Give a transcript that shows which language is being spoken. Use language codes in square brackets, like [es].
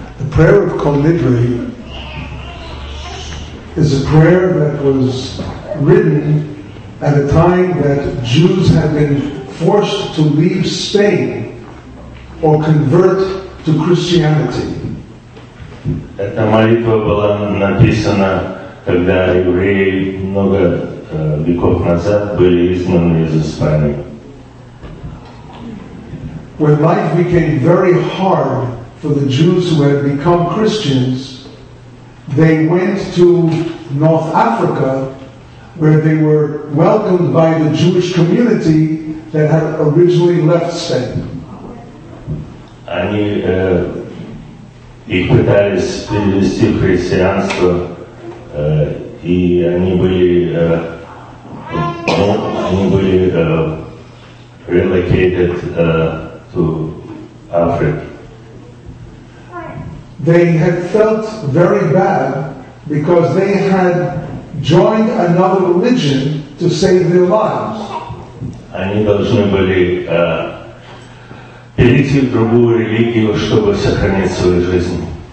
[en] prayer of Kol Nidre is a prayer that was written at a time that Jews had been forced to leave Spain or convert to Christianity. [ru] Эта молитва была написана, когда евреи много веков назад были изгнаны из Испании. [en] When life became very hard for the Jews who had become Christians, they went to North Africa, where they were welcomed by the Jewish community that had originally left Spain. [ru] Они их пытались перевести в христианство, и они были [en] relocated to Africa. They had felt very bad because they had joined another religion to save their lives. [ru] Они должны были перейти в другую религию, чтобы сохранить свою жизнь.